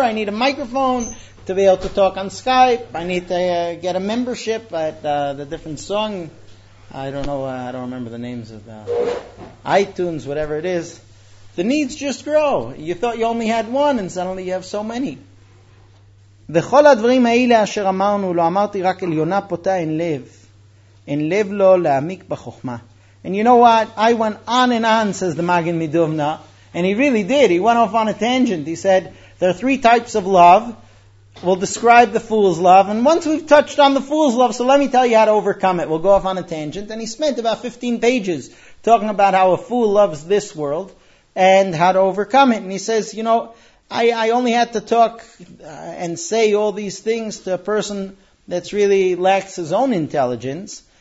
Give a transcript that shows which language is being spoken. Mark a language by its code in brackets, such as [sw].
[en] I need a microphone to be able to talk on Skype. I need to get a membership at the different song. I don't know, I don't remember the names of the iTunes, whatever it is. The needs just grow. You thought you only had one, and suddenly you have so many. [he] וכל הדברים האלה אשר אמרנו, לא אמרתי רק אל יונה פותה אין לב, אין לב לו להעמיק בחוכמה. [en] And you know what? I went on and on, says the Magen Midivna. And he really did. He went off on a tangent. He said, there are three types of love. We'll describe the fool's love. And once we've touched on the fool's love, so let me tell you how to overcome it. We'll go off on a tangent. And he spent about 15 pages talking about how a fool loves this world and how to overcome it. And he says, you know, I only had to talk and say all these things to a person that's really lacks his own intelligence.